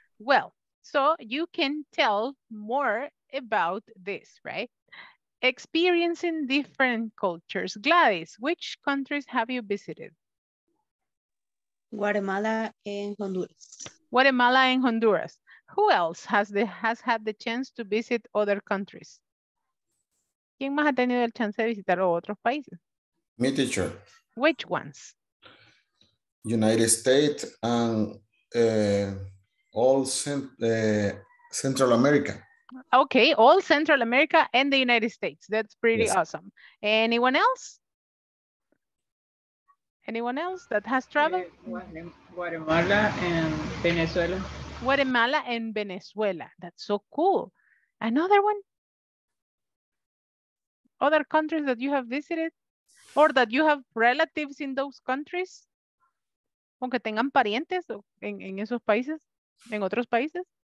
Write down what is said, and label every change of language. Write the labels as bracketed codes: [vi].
[en] Well, so you can tell more about this, right? Experiencing different cultures. Gladys, which countries have you visited? Guatemala and Honduras. Guatemala and Honduras. Who else has had the chance to visit other countries? [es] ¿Quién más ha tenido el chance de visitar otros países? [en] Me, teacher. Which ones? United States and all Central America. Okay, all Central America and the United States. That's pretty awesome. Anyone else? Anyone else that has traveled? Guatemala and Venezuela. Guatemala and Venezuela. That's so cool. Another one? Other countries that you have visited? Or that you have relatives in those countries? [es] Aunque tengan parientes en esos países, en otros países.